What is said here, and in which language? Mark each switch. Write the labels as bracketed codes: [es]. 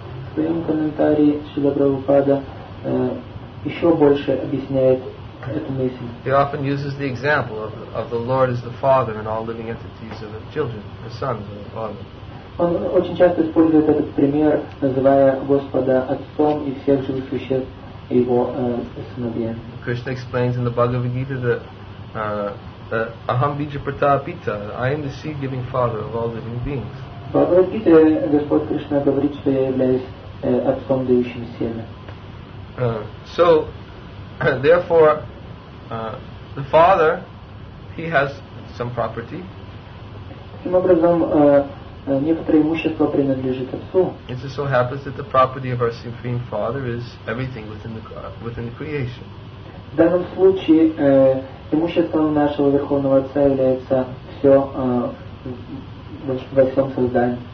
[ru] В своем комментарии Шрила Прабхупада еще больше объясняет эту мысль. [en] He often uses the example of the Lord as the Father and all living entities are the children, the sons of the Father. [ru] Он очень часто использует этот пример, называя Господа Отцом и всех живых существ Его сыновьями. [en] Krishna explains in the Bhagavad Gita that [sa] Aham Bija Pratapita, [en] I am the seed giving father of all living beings. Therefore, the father, he has some property. It just so happens that the property of our Supreme Father is everything within the creation. [ru] В данном случае имуществом нашего Верховного Отца является все во всем создании.